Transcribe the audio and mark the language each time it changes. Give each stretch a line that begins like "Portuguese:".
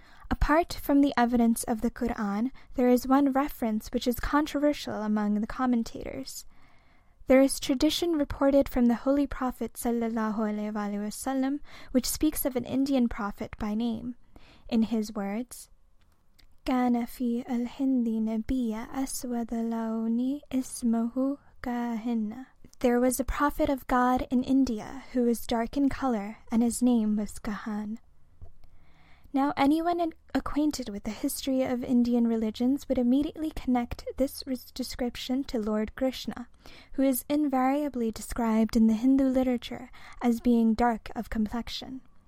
English: Apart from the evidence of the Quran, there is one reference which is controversial among the commentators. There is tradition reported from the Holy Prophet ﷺ, which speaks of an Indian prophet by name. In his words,
Arabic: كان في الهند نبي أسود اللون اسمه كاهن.
English: There was a prophet of God in India who was dark in color, and his name was Kahan. Now, anyone acquainted with the history of Indian religions would immediately connect this description to Lord Krishna, who is invariably described in the Hindu literature as being dark of complexion.